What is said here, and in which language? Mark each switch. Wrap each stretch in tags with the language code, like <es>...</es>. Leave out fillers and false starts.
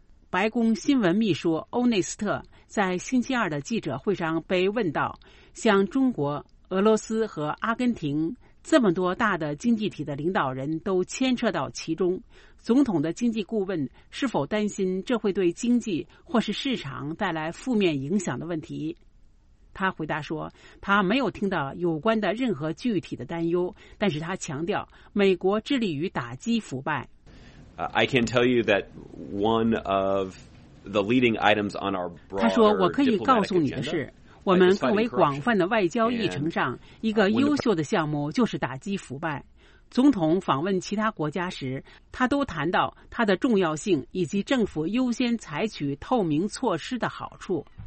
<zh>白宫新闻秘书欧内斯特在星期二的记者会上被问到，像中国、俄罗斯和阿根廷这么多大的经济体的领导人都牵扯到其中，总统的经济顾问是否担心这会对经济或是市场带来负面影响的问题？他回答说，他没有听到有关的任何具体的担忧，但是他强调，美国致力于打击腐败。</zh> <en>I can tell you that one of the leading items on our broader diplomatic agenda.</en> <zh>他说，我可以告诉你的是，我们更为广泛的外交议程上，一个优秀的项目就是打击腐败。总统访问其他国家时，他都谈到它的重要性以及政府优先采取透明措施的好处。</zh>